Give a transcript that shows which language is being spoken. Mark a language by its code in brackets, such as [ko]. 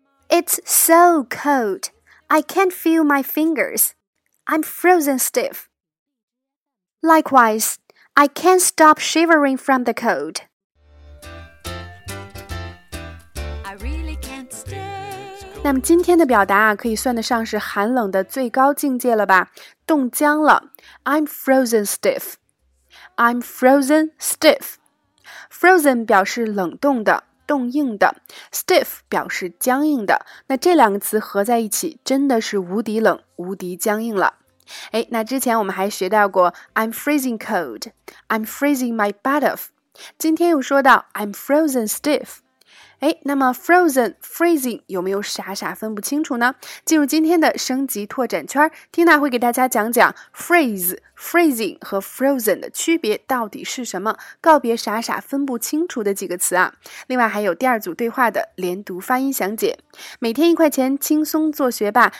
[en] It's so cold. I can't feel my fingers. I'm frozen stiff. Likewise, I can't stop shivering from the cold. I really can't stay. [zh] 那么今天的表达啊，可以算得上是寒冷的最高境界了吧？冻僵了。 [en] I'm frozen stiff. I'm frozen stiff. [zh] Frozen 表示冷冻的、冻硬的 ，stiff 表示僵硬的。那这两个词合在一起，真的是无敌冷、无敌僵硬了。哎，那之前我们还学到过 [en] I'm freezing cold, I'm freezing my butt off。 [zh] 今天又说到 [en] I'm frozen stiff。 [zh] 哎，那么 frozen、freezing 有没有傻傻分不清楚呢？进入今天的升级拓展圈 ，Tina 会给大家讲讲 freeze、freezing 和 frozen 的区别到底是什么，告别傻傻分不清楚的几个词啊。另外还有第二组对话的连读发音详解。每天一块钱，轻松做学霸。